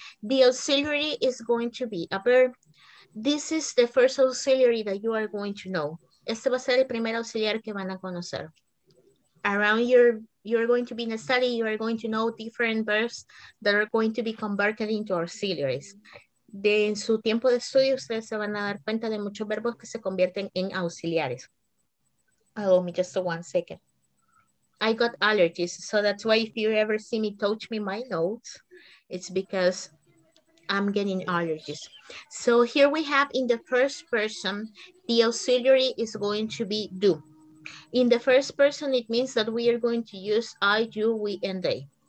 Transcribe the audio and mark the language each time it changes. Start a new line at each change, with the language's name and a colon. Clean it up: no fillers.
English: The auxiliary is going to be a verb. This is the first auxiliary that you are going to know.
Spanish: Este va a ser el primer auxiliar que van a conocer.
English: Around you're going to be in a study, you are going to know different verbs that are going to be converted into auxiliaries.
Spanish: De en su tiempo de estudio, ustedes se van a dar cuenta de muchos verbos que se convierten en auxiliares.
English: Allow me just one second. I got allergies, so that's why if you ever see me touch me my nose, it's because I'm getting allergies. So here we have in the first person, the auxiliary is going to be do. In the first person, it means that we are going to use I, you, we, and they.